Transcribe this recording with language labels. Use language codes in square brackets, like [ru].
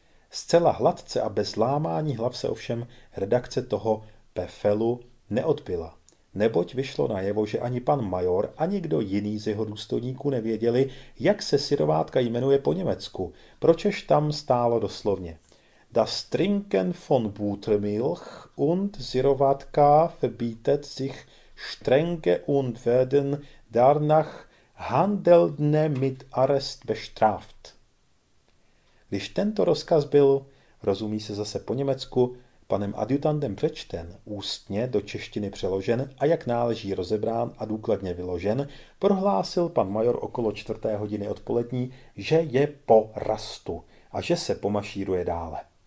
[cs] Zcela hladce a bez lámání hlav se ovšem redakce toho Befehlu neodbyla, neboť vyšlo najevo, že ani pan major, ani kdo jiný z jeho důstojníků nevěděli, jak se syrovátka jmenuje po německu, pročež tam stálo doslovně. [de] Das Trinken von Buttermilch und Syrovátka verbietet sich strenge und werden darnach handelne mit Arrest bestraft. [cs] Když tento rozkaz byl, rozumí se zase po německu, panem adjutantem přečten, ústně do češtiny přeložen a jak náleží rozebrán a důkladně vyložen, prohlásil pan major okolo 16:00 odpolední, že je po rastu a že se pomašíruje dále.